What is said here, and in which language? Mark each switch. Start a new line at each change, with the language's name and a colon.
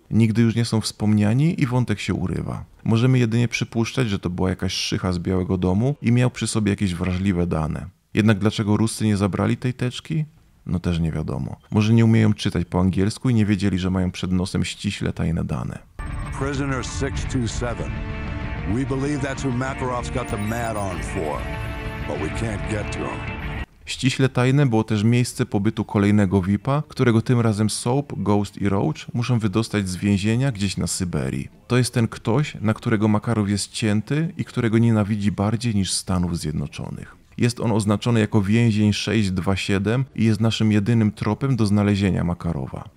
Polish: Nigdy już nie są wspomniani i wątek się urywa. Możemy jedynie przypuszczać, że to była jakaś szycha z Białego Domu i miał przy sobie jakieś wrażliwe dane. Jednak dlaczego Ruscy nie zabrali tej teczki? No też nie wiadomo. Może nie umieją czytać po angielsku i nie wiedzieli, że mają przed nosem ściśle tajne dane.
English: Prisoner 627. We believe that's who Makarov's got the mad on for, but we can't get to him.
Polish: Ściśle tajne było też miejsce pobytu kolejnego VIP-a, którego tym razem Soap, Ghost i Roach muszą wydostać z więzienia gdzieś na Syberii. To jest ten ktoś, na którego Makarow jest cięty i którego nienawidzi bardziej niż Stanów Zjednoczonych. Jest on oznaczony jako więzień 627 i jest naszym jedynym tropem do znalezienia Makarowa.